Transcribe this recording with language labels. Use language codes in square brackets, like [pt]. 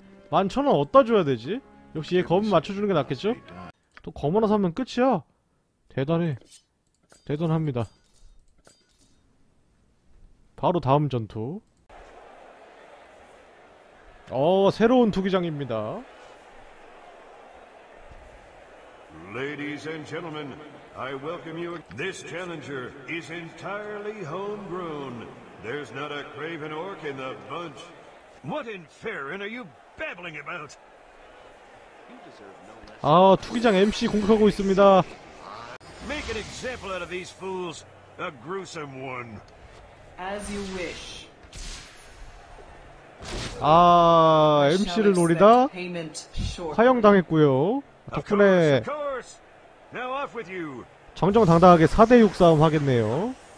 [ko] 11,000원 어디다 줘야 되지? 역시 얘 검은 맞춰주는 게 낫겠죠? 또 검 하나 사면 끝이야. 대단해. 대단합니다. 바로 다음 전투. 어 새로운 투기장입니다. [en] Ladies and gentlemen, I welcome you. This challenger is entirely homegrown. There's not a craven orc in the bunch. What in Farron are you babbling about? [ko] 아 투기장 MC 공격하고 있습니다. [en] Make an example out of these fools. A gruesome one. As you wish. [ko] 아 MC를 노리다 화형 당했고요. 덕분에 [en] Now off with you. [ko] 정정당당하게 4대6 싸움 하겠네요.